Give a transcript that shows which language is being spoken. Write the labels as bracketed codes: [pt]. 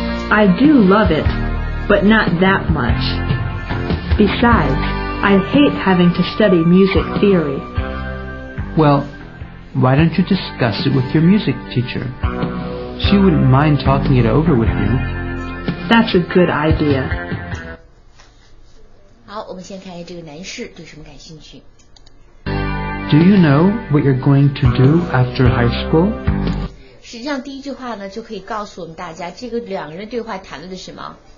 [en] I do love it, but not that much. Besides, I hate having to study music theory. Well, why don't you discuss it with your music teacher? She wouldn't mind talking it over with you. That's a good idea. [zh] 好，我们先看一下这个男士对什么感兴趣。 [en] Do you know what you're going to do after high school? [zh] 实际上第一句话呢，就可以告诉我们大家，这个两个人对话谈论的什么。